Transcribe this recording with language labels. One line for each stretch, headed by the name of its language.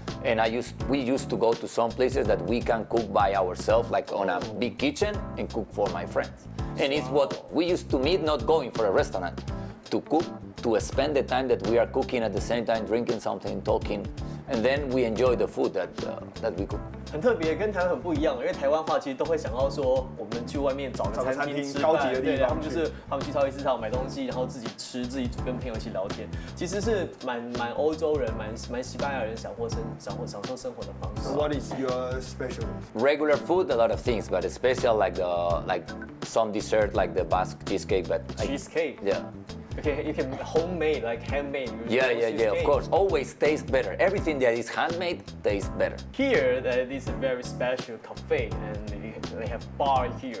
English: And we used to go to some places that we can cook by ourselves, like on a big kitchen and cook for my friends. And it's what we used to meet, not going for a restaurant, to cook, to spend the time that we are cooking at the same time, drinking something, talking. And then we enjoy the food that we cook.
Chinese: 很特别，跟台湾很不一样，因为台湾话其实都会想到说，我们去外面找个餐厅吃饭，高级的地方，对，他们去超级市场买东西，然后自己吃，自己跟朋友一起聊天，其实是蛮欧洲人，蛮西班牙人享受生活的方式。
English: What is your special? Regular food, a lot of things, but special like some dessert like the Basque cheesecake, but cheesecake, yeah. Okay, you can homemade, like handmade. Yeah, of course. Always taste better. Everything that is handmade tastes better. Here, that is a very special cafe, and they have bar here.